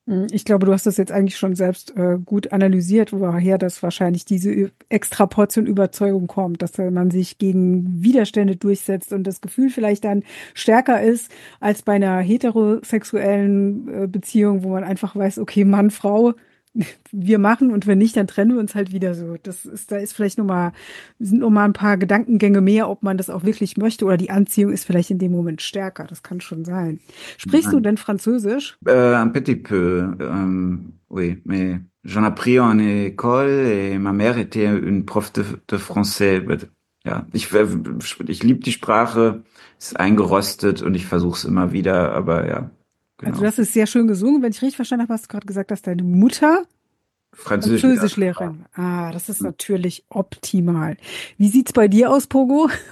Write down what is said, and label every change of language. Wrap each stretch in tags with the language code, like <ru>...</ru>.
<de>Ich glaube, du hast das jetzt eigentlich schon selbst gut analysiert, woher das wahrscheinlich diese extra Portion Überzeugung kommt, dass man sich gegen Widerstände durchsetzt und das Gefühl vielleicht dann stärker ist als bei einer heterosexuellen Beziehung, wo man einfach weiß, okay, Mann, Frau, wir machen und wenn nicht, dann trennen wir uns halt wieder so. Da ist vielleicht nochmal, sind nochmal ein paar Gedankengänge mehr, ob man das auch wirklich möchte oder die Anziehung ist vielleicht in dem Moment stärker. Das kann schon sein. Sprichst du denn Französisch?</de> <fr>Un petit peu, oui, mais j'en ai appris en école et ma mère était une prof de français.</fr> <de>But, ja, ich liebe die Sprache, ist eingerostet und ich versuche es immer wieder, aber ja, Also, du genau. hast es sehr schön gesungen. Wenn ich richtig verstanden habe, hast du gerade gesagt, dass deine Mutter Französischlehrerin war. Französischlehrerin. Ah, das ist natürlich optimal. Wie sieht's bei dir aus, Pogo?</de>